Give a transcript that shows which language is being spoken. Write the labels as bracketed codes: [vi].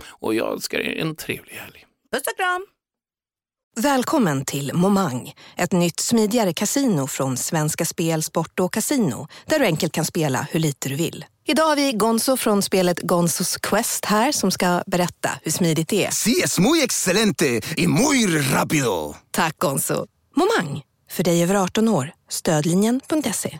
[sv] Och jag önskar er en trevlig helg. Instagram. Välkommen till Momang, ett nytt smidigare kasino från Svenska Spel, Sport och Casino, där du enkelt kan spela hur lite du vill. Idag har vi Gonzo från spelet Gonzos Quest här som ska berätta hur smidigt det är. [es] Sí, es muy excelente y muy rápido. [sv] Tack Gonzo. Momang, för dig över 18 år. Stödlinjen.se.